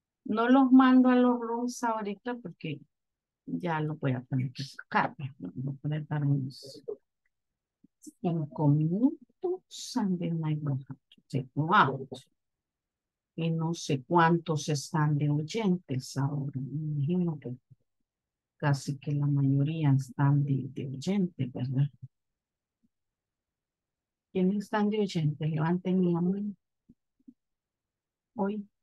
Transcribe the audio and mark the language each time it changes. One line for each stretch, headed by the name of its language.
Spanish: No los mando a los rooms ahorita porque ya lo voy a tener que sacar. Voy a poder dar unos 5 minutos
English: and then I will have to take them out.
Spanish: Y no sé cuántos están de oyentes ahora. Me imagino que casi que la mayoría están de oyentes, ¿verdad? ¿Quiénes están de oyentes? Levanten la mano. Hoy.